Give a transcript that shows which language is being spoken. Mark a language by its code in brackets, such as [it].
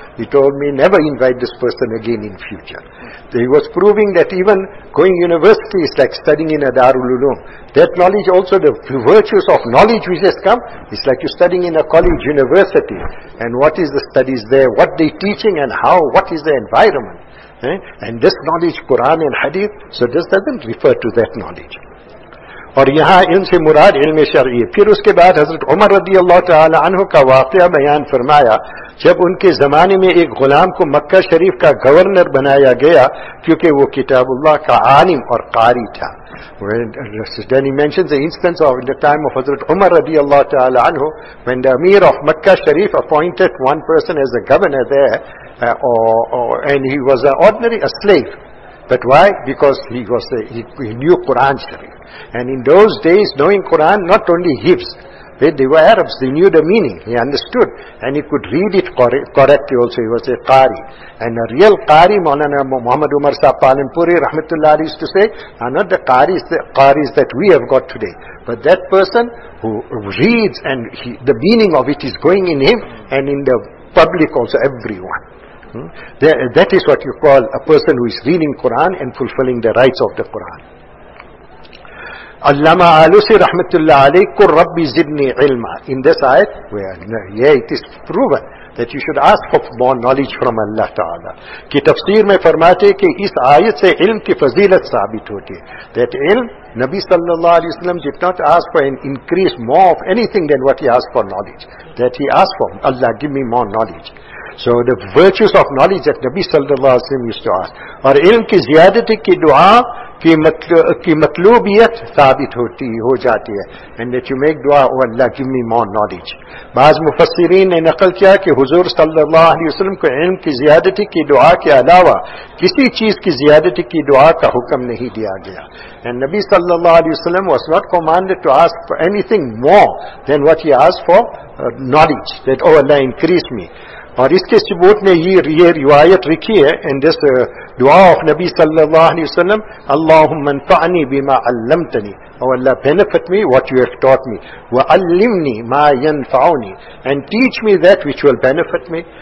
[en] He told me never invite this person again in future. He was proving that even going university is like studying in a Darul Uloom. That knowledge also, the virtues of knowledge which has come, is like you studying in a college, university. And what is the studies there? What they teaching and how? What is the environment? And this knowledge, Quran and Hadith, so this doesn't refer to that knowledge. [ur] اور یہاں ان سے مراد علم شرعی ہے. پھر اس کے بعد حضرت عمر رضی اللہ تعالی عنہ کا واقعہ بیان فرمایا, جب ان کے زمانے میں ایک غلام کو مکہ شریف کا گورنر بنایا گیا کیونکہ وہ کتاب اللہ کا عالم اور قاری تھا. [en] Then he mentions the instance of in the time of Hazrat Umar radiallahu ta'ala anhu, when the Amir of Makkah Sharif appointed one person as a governor there, and he was an ordinary, a slave. But why? Because he knew Quran Sharif. And in those days, knowing Quran, not only Hibs, they were Arabs, they knew the meaning, he understood, and he could read it correctly also. He was a Qari. And a real Qari, Maulana Muhammad Umar Sahib Palanpuri, Rahmatullah, used to say, are not the Qaris that we have got today. But that person who reads and the meaning of it is going in him and in the public also, everyone. That is what you call a person who is reading Quran and fulfilling the rights of the Quran. [ur] علامہ آلوسی رحمۃ اللہ علیہ کو [ar] رب زدنی علما. [en] In this ayat, it is proven that you should ask for more knowledge from Allah Ta'ala. [ur] کی تفسیر میں فرماتے کہ اس آیت سے علم کی فضیلت ثابت ہوتی ہے. [en] That علم, نبی صلی اللہ علیہ وسلم did not ask for an increase more of anything than what he asked for knowledge. That he asked for, Allah give me more knowledge. So the virtues of knowledge that Nabi sallallahu alaihi wasallam used to ask. [ur] اور علم کی زیادتی کی دعا کی مطلوبیت ثابت ہوتی ہو جاتی ہے. [en] And that you make دعا, oh Allah give me more knowledge. [ur] بعض مفسرین نے نقل کیا کہ حضور صلی اللہ علیہ وسلم کو علم کی زیادتی کی دعا کے علاوہ کسی چیز کی زیادتی کی دعا کا حکم نہیں دیا گیا. [en] And Nabi sallallahu alaihi wasallam was not commanded to ask for anything more than what he asked for knowledge. That, oh Allah increase me. [ur] اور اس کے ثبوت میں یہ روایت لکھی ہے, [en] and this دعا of نبی صلی اللہ علیہ وسلم, [ar] اللہم انفعنی بما علمتنی, [en] O اللہ benefit me what you have taught me, [ar] وعلمنی ما ینفعنی, [en] And teach me that which will benefit me.